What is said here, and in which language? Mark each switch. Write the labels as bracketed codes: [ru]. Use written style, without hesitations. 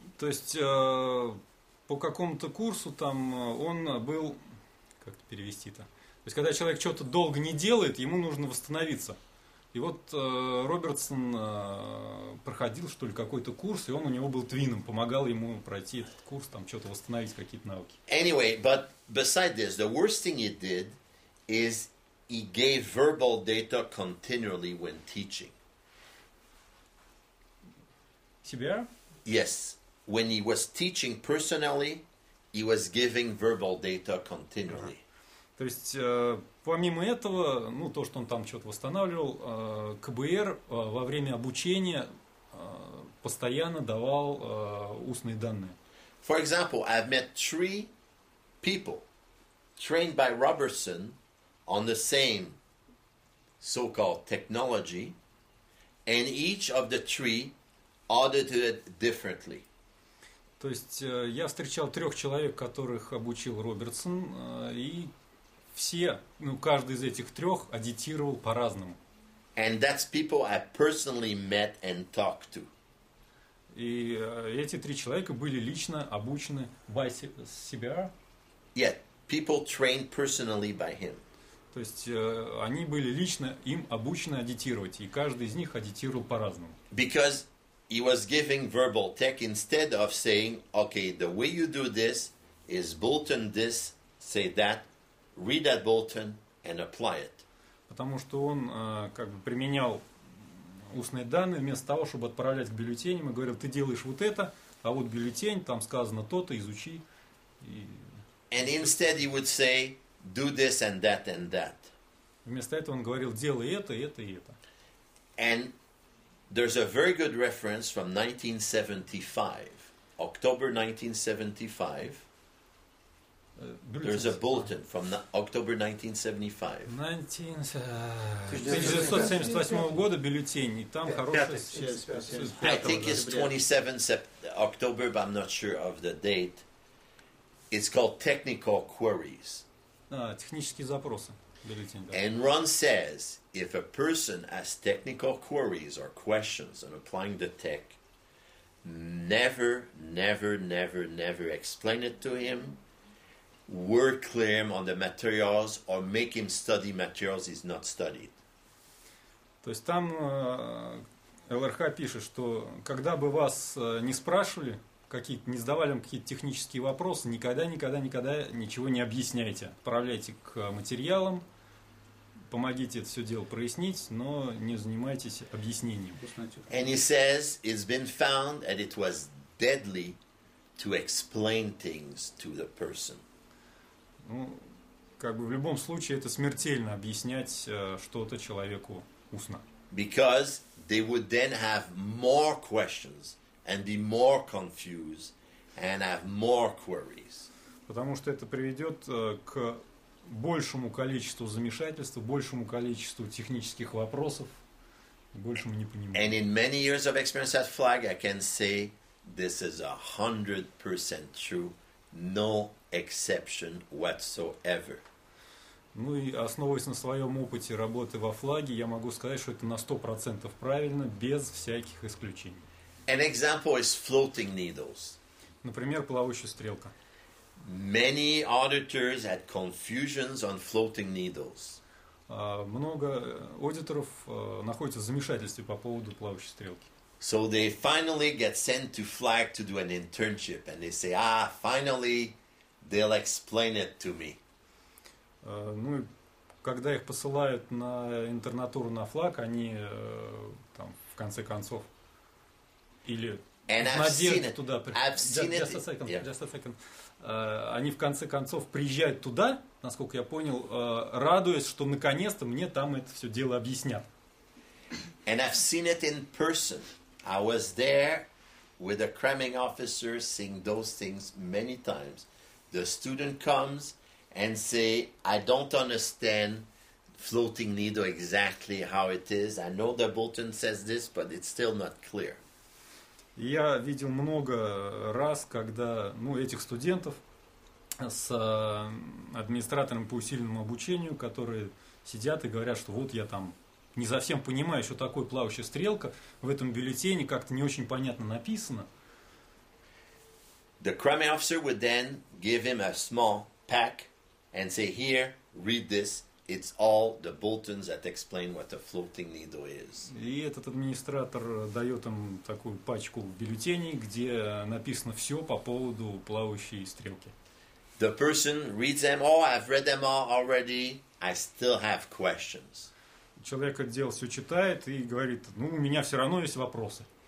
[ru] То есть по какому-то курсу там он был, как перевести-то? То есть когда человек что-то долго не делает, ему нужно восстановиться. И вот Робертсон проходил, что ли, какой-то курс, и он у него был твином, помогал ему пройти этот курс, там что-то восстановить, какие-то навыки. [en] Anyway, but beside this, the worst thing he did is he gave verbal data continually when teaching. [ru] Себя? [en] Yes. When he was teaching personally, he was giving verbal data continually. [ru] То есть, помимо этого, ну, то, что он там что-то восстанавливал, КБР во время обучения постоянно давал устные данные. [en] For example, I've met three people trained by Robertson on the same so-called technology, and each of the three audited it differently. [ru] То есть, я встречал трех человек, которых обучил Робертсон, и все, ну, каждый из этих трех аудитировал по-разному. [en] And that's people I personally met and talked to. [ru] И эти три человека были лично обучены [en] by CBR? Yeah, people trained personally by him. [ru] То есть они были лично им обучены аудитировать, и каждый из них аудитировал по-разному. [en] Because he was giving verbal tech instead of saying, okay, the way you do this is bulletin this, say that, read that bulletin and apply it. [ru] Потому что он как бы применял устные данные вместо того, чтобы отправлять к бюллетеням, и говорил, ты делаешь вот это, а вот бюллетень, там сказано то-то, изучи. И... [en] And instead he would say, do this and that and that. [ru] Вместо этого он говорил, делай это, это и это. [en] And there's a very good reference from 1975, October 1975. There's a bulletin from October [ru] 1975. 1978 года, бюллетень, и там хорошая... [en] I think it's 27 October, but I'm not sure of the date. It's called technical queries. [ru] Технические запросы, бюллетень. [en] And Ron says, if a person has technical queries or questions on applying the tech, never, never, never, never explain it to him. Work clear him on the materials or make him study materials he's not studied. [ru] То есть там ЛРХ пишет, что когда бы вас не спрашивали, какие-то, не задавали вам какие-то технические вопросы, никогда, никогда, никогда ничего не объясняйте. Отправляйте к материалам, помогите это все дело прояснить, но не занимайтесь объяснением. [en] And he says it's been found that it was deadly to explain things to the person. [ru] Ну, как бы в любом случае это смертельно объяснять что-то человеку устно. [en] Because they would then have more questions and be more confused and have more queries. [ru] Потому что это приведет к большему количеству замешательств, большему количеству технических вопросов, большему непониманию. [en] And in many years of experience at Flag, I can say this is 100% true. No exception whatsoever. [ru] Ну и основываясь на своем опыте работы во флаге, я могу сказать, что это на 100% правильно, без всяких исключений. [en] An example is floating needles. [ru] Например, плавающая стрелка. [en] Many auditors had confusions on floating needles. [ru] Много аудиторов находятся в замешательстве по поводу плавающей стрелки. [en] So they finally get sent to Flag to do an internship, and they say, ah, finally, they'll explain it to me. [ru] Ну, когда их посылают на интернатуру на Flag, они там в конце концов или [en] And I've [ru] надежды [en] seen [ru] туда приходить. [en] Just a second. [ru] Они в конце концов приезжают туда, насколько я понял, радуясь, что наконец-то мне там это все дело объяснят. [en] And I've seen it in person. I was there with a cramming officer seeing those things many times. The student comes and say, I don't understand floating needle exactly how it is. I know the bulletin says this, but it's still not clear. [ru] Я видел много раз, когда, ну, этих студентов с администратором по усиленному обучению, которые сидят и говорят, что вот я там не совсем понимаю, что такое плавающая стрелка, в этом бюллетене как-то не очень понятно написано. [en] The cramming officer would then give him a small pack and say, here, read this. It's all the bulletins that explain what a floating needle is. [ru] И этот администратор дает им такую пачку бюллетеней, где написано все по поводу плавающей стрелки. [en] The person reads them all. I've read them all already. I still have questions. [ru] Человек это дело все читает и говорит, ну, у меня все равно есть вопросы.